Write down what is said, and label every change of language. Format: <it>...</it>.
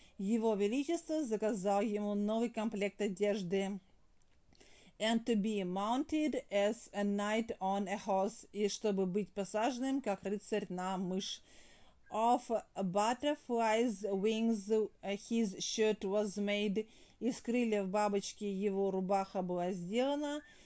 <ru>Его Величество заказал ему новый комплект одежды.</ru> <en>And to be mounted as a knight on a horse.</en> <ru>И чтобы быть посаженным, как рыцарь на мышь.</ru> <en>Of butterflies wings his shirt was made.</en> <ru>Из крыльев бабочки его рубаха была сделана.</ru>